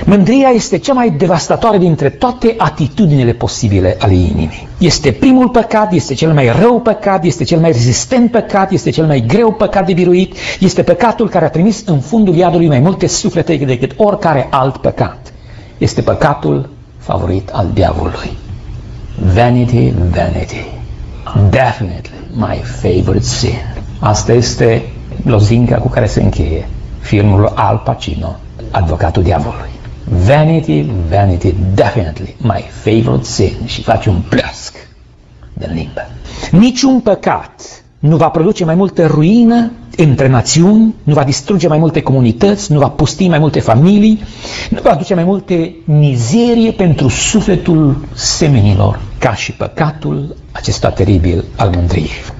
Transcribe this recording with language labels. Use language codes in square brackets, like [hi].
[ro] Mândria este cea mai devastatoare dintre toate atitudinile posibile ale inimii. Este primul păcat, este cel mai rău păcat, este cel mai rezistent păcat, este cel mai greu păcat de biruit, este păcatul care a trimis în fundul iadului mai multe suflete decât oricare alt păcat. Este păcatul favorit al diavolului. [en] Vanity, vanity, definitely my favorite sin. [ro] Asta este lozinca cu care se încheie filmul Al Pacino, Avocatul Diavolului. [en] Vanity, vanity, definitely my favorite sin. [ro] Și face un plasc de limbă. Niciun păcat nu va produce mai multă ruină între națiuni, nu va distruge mai multe comunități, nu va pusti mai multe familii, nu va aduce mai multe mizerie pentru sufletul semenilor ca și păcatul acesta teribil al mândriei.